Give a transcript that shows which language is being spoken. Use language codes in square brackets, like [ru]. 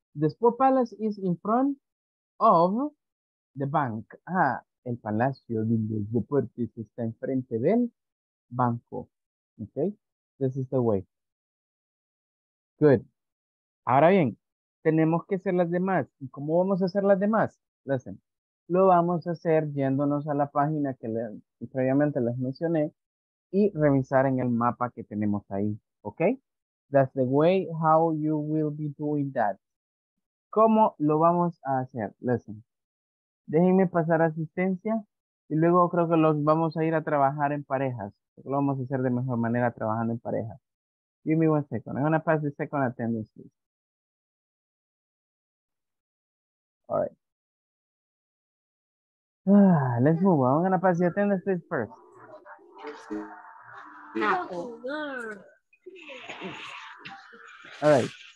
[en] The Sport Palace is in front of the bank. [es] Ah, el palacio de los deportes está enfrente del banco. [en] Okay? This is the way. Good. [es] Ahora bien, tenemos que hacer las demás. ¿Y cómo vamos a hacer las demás? Listen, lo vamos a hacer yéndonos a la página que previamente les mencioné y revisar en el mapa que tenemos ahí. ¿Ok? [en] That's the way how you will be doing that. [es] ¿Cómo lo vamos a hacer? Listen, déjenme pasar asistencia y luego creo que los vamos a ir a trabajar en parejas. Lo vamos a hacer de mejor manera trabajando en parejas. [en] Give me one second. I'm going to pass the second attendance, please. All right. Let's move on. I'm going to pass the attendance, please, first. All right.